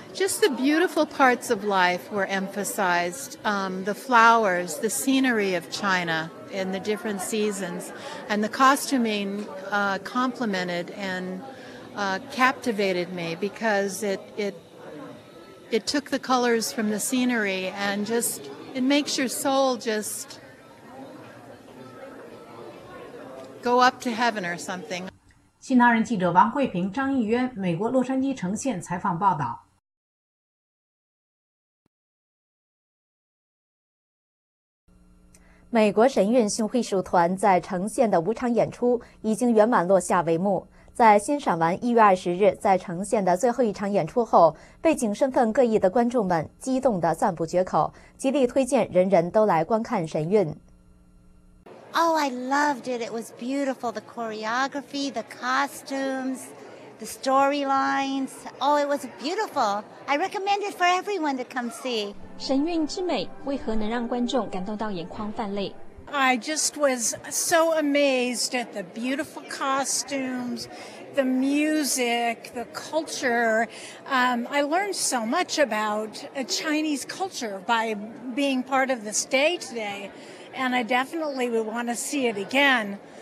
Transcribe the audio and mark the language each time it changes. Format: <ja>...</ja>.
<en>Just the beautiful parts of life were emphasized, the flowers, the scenery of China in the different seasons, and the costuming complemented and captivated me because it took the colors from the scenery and just it makes your soul just go up to heaven or something.</en> <zh>新唐人记者王慧平、张逸渊，美国洛杉矶呈现采访报道。美国神韵巡回艺术团在呈现的五场演出已经圆满落下帷幕。在欣赏完1月20日在呈现的最后一场演出后，背景身份各异的观众们激动得赞不绝口，极力推荐人人都来观看神韵。</zh> <en>Oh, I loved it. It was beautiful. The choreography, the costumes, the storylines. Oh, it was beautiful. I recommend it for everyone to come see.</en> <zh>神韵之美为何能让观众感动到眼眶泛泪？</zh> <en>I just was so amazed at the beautiful costumes, the music, the culture. I learned so much about Chinese culture by being part of this day today, and I definitely would want to see it again.</en>